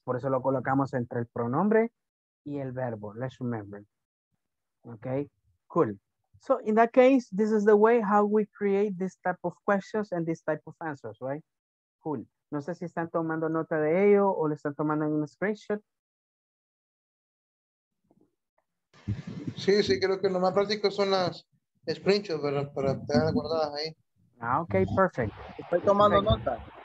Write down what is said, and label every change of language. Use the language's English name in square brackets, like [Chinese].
[Spanish] Por eso lo colocamos entre el pronombre y el verbo. [English] Let's remember. Okay, cool. So, in that case, this is the way how we create this type of questions and this type of answers, right? Cool. [Spanish] No sé si están tomando nota de ello o le están tomando en un screenshot. Sí, creo que lo más práctico son las screenshots, para tener guardadas ahí. [English] Ah, okay, perfect. [Spanish] Estoy tomando nota.